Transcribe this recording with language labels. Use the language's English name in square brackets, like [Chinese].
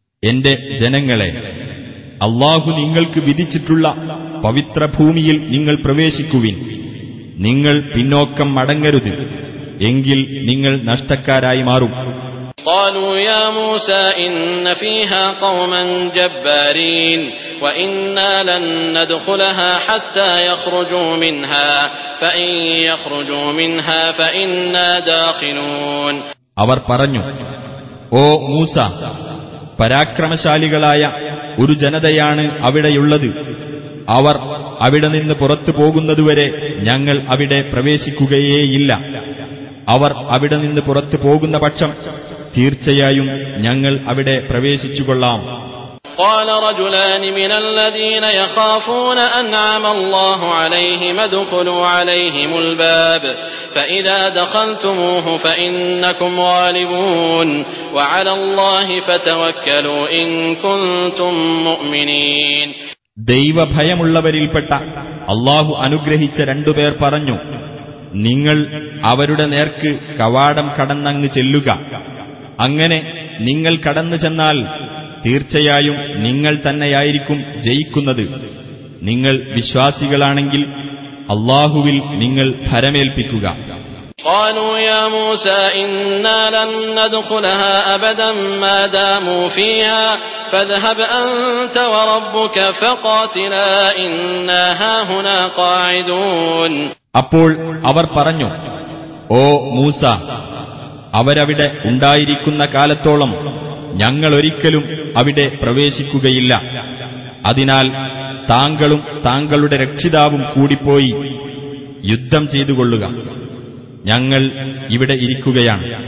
[Malayalam] എന്റെ ജനങ്ങളെ, അല്ലാഹു നിങ്ങൾക്ക് വിധിച്ചിട്ടുള്ള പവിത്ര ഭൂമിയിൽ നിങ്ങൾ പ്രവേശിക്കുവിൻ. നിങ്ങൾ പിന്നോക്കം മടങ്ങരുത്, എങ്കിൽ നിങ്ങൾ നഷ്ടക്കാരായി മാറും. [Arabic] قالوا يا موسى إن فيها قوما جبارين وإنا لن ندخلها حتى يخرجوا منها فإن يخرجوا منها فإنا داخلون. [Malayalam] അവർ പറഞ്ഞു, ഓ മൂസ, പരാക്രമശാലികളായ ഒരു ജനതയാണ് അവിടെയുള്ളത്. അവർ അവിടെ നിന്ന് പുറത്തു പോകുന്നതുവരെ ഞങ്ങൾ അവിടെ പ്രവേശിക്കുകയേയില്ല. അവർ അവിടെ നിന്ന് പുറത്തു പോകുന്ന പക്ഷം തീർച്ചയായും ഞങ്ങൾ അവിടെ പ്രവേശിച്ചുകൊള്ളാം. [Arabic] قال رجلان من الذين يخافون أنعم الله عليهم ادخلوا عليهم الباب فإذا دخلتموه فإنكم غالبون وعلى الله فتوكلوا إن كنتم مؤمنين. [Malayalam] ദൈവ ഭയമുള്ളവരിൽപ്പെട്ട അല്ലാഹു അനുഗ്രഹിച്ച രണ്ടുപേർ പറഞ്ഞു, നിങ്ങൾ അവരുടെ നേർക്ക് കവാടം കടന്നങ്ങ് ചെല്ലുക. അങ്ങനെ നിങ്ങൾ കടന്നു ചെന്നാൽ തീർച്ചയായും നിങ്ങൾ തന്നെയായിരിക്കും ജയിക്കുന്നത്. നിങ്ങൾ വിശ്വാസികളാണെങ്കിൽ അല്ലാഹുവിൽ നിങ്ങൾ ഭരമേൽപ്പിക്കുക. [Arabic] قالوا يا موسى إنا لن ندخلها أبدا ما داموا فيها فاذهب أنت وربك فقاتلا إنا هاهنا قاعدون. [Malayalam] അപ്പോൾ അവർ പറഞ്ഞു, ഓ മൂസ, അവരവിടെ ഉണ്ടായിരിക്കുന്ന കാലത്തോളം ഞങ്ങളൊരിക്കലും അവിടെ പ്രവേശിക്കുകയില്ല. അതിനാൽ താങ്കളും താങ്കളുടെ രക്ഷിതാവും കൂടിപ്പോയി യുദ്ധം ചെയ്തുകൊള്ളുക, ഞങ്ങൾ ഇവിടെ ഇരിക്കുകയാണ്.